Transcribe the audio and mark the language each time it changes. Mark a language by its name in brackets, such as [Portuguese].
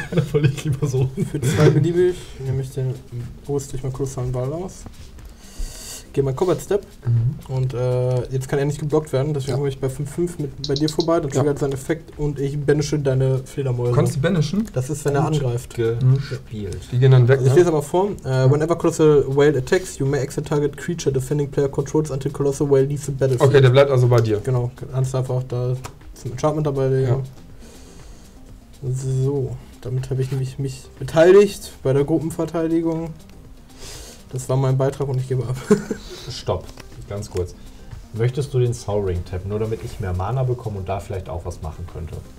[German] verliere ich lieber so. Für 2 beliebig nehme ich den Rüstig mal kurz seinen Ball aus. Gehe mal Combat Step. Mhm. Und jetzt kann er nicht geblockt werden. Deswegen komme ich bei 5-5 bei dir vorbei. Dann triggert seinen Effekt und ich banische deine Fledermäuse. Kannst du banischen? Das ist, wenn er angreift. Gespielt. Die gehen dann weg. Also ich lese aber vor. [English] Whenever Colossal Whale attacks, you may exit target creature defending player controls until Colossal Whale leaves the battlefield. [German] Okay, der bleibt also bei dir. Genau. Kannst du einfach da zum Enchantment dabei legen. Ja. So, damit habe ich nämlich mich beteiligt bei der Gruppenverteidigung. Das war mein Beitrag und ich gebe ab. Stopp, ganz kurz. Möchtest du den Soul Ring tappen, nur damit ich mehr Mana bekomme und da vielleicht auch was machen könnte?